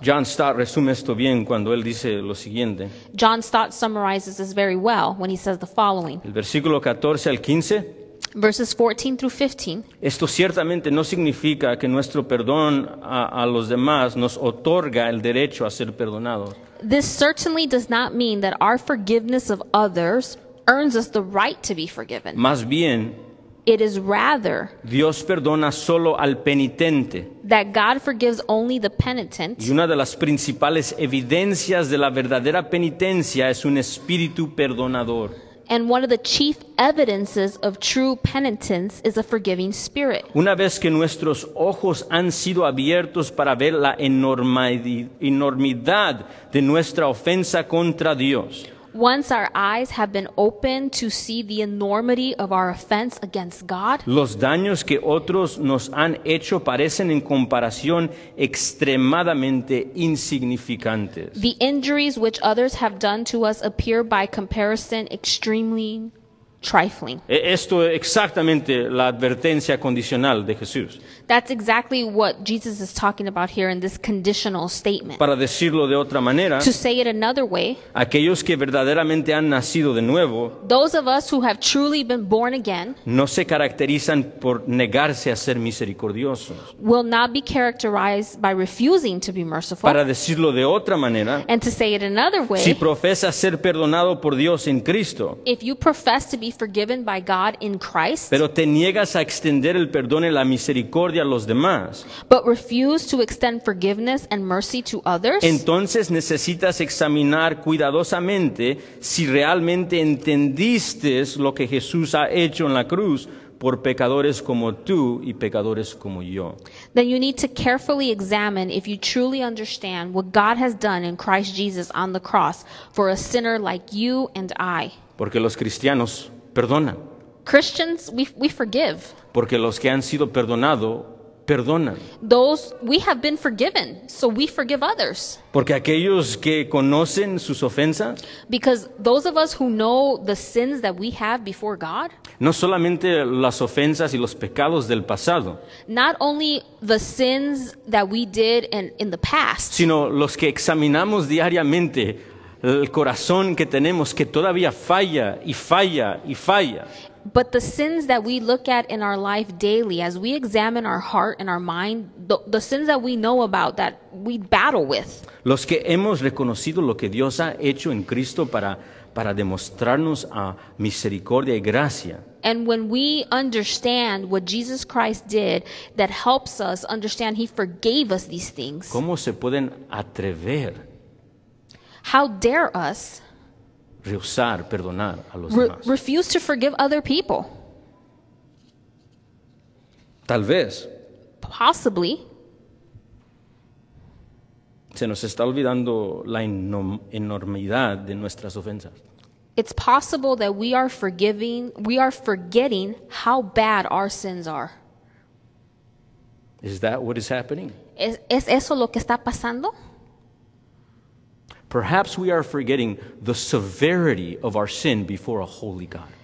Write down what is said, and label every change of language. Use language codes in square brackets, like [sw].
[es] John Stott resume esto bien cuando él dice lo siguiente. [en] John Stott summarizes this very well when he says the following. [es] El versículo 14 al 15. [en] Verses 14 through 15. [es] Esto ciertamente no significa que nuestro perdón a los demás nos otorga el derecho a ser perdonados. [en] This certainly does not mean that our forgiveness of others earns us the right to be forgiven. [es] Más bien, [en] it is rather [es] Dios perdona solo al penitente. [en] That God forgives only the penitent. [es] Y una de las principales evidencias de la verdadera penitencia es un espíritu perdonador. [en] And one of the chief evidences of true penitence is a forgiving spirit. [es] Una vez que nuestros ojos han sido abiertos para ver la enormidad de nuestra ofensa contra Dios. [en] Once our eyes have been opened to see the enormity of our offense against God. [es] Los daños que otros nos han hecho parecen en comparación extremadamente insignificantes. [en] The injuries which others have done to us appear by comparison extremely trifling. [es] Esto es exactamente la advertencia condicional de Jesús. [en] That's exactly what Jesus is talking about here in this conditional statement. [es] Para decirlo de otra manera, [en] to say it another way, [es] aquellos que verdaderamente han nacido de nuevo, [en] those of us who have truly been born again, [es] no se caracterizan por negarse a ser misericordiosos. [en] Will not be characterized by refusing to be merciful. [es] Para decirlo de otra manera, [en] and to say it another way, [es] si profesas ser perdonado por Dios en Cristo, [en] if you profess to be forgiven by God in Christ, [es] pero te niegas a extender el perdón y la misericordia, [en] but refuse to extend forgiveness and mercy to others, [es] entonces necesitas examinar cuidadosamente si realmente entendiste lo que Jesús ha hecho en la cruz por pecadores como tú y pecadores como yo. [en] Then you need to carefully examine if you truly understand what God has done in Christ Jesus on the cross for a sinner like you and I. [es] Porque los cristianos perdonan. [en] Christians, we forgive. [es] Porque los que han sido perdonado, perdonan. [en] Those we have been forgiven, so we forgive others. [es] Porque aquellos que conocen sus ofensas, [en] because those of us who know the sins that we have before God, [es] no solamente las ofensas y los pecados del pasado, [en] not only the sins that we did in the past, [es] sino los que examinamos diariamente el corazón que tenemos que todavía falla y falla y falla. [en] But the sins that we look at in our life daily, as we examine our heart and our mind, the sins that we know about, that we battle with. [es] Los que hemos reconocido lo que Dios ha hecho en Cristo para demostrarnos a misericordia y gracia. [en] And when we understand what Jesus Christ did, that helps us understand He forgave us these things. [es] ¿Cómo se pueden atrever? [en] How dare us? [es] Rehusar perdonar a los demás. [en] Refuse to forgive other people. [es] Tal vez. [en] Possibly. [es] Se nos está olvidando la enormidad de nuestras ofensas. [en] It's possible that we are forgetting how bad our sins are. Is that what is happening? [es] ¿Es eso lo que está pasando? [en] Perhaps we are forgetting the severity of our sin before a holy God.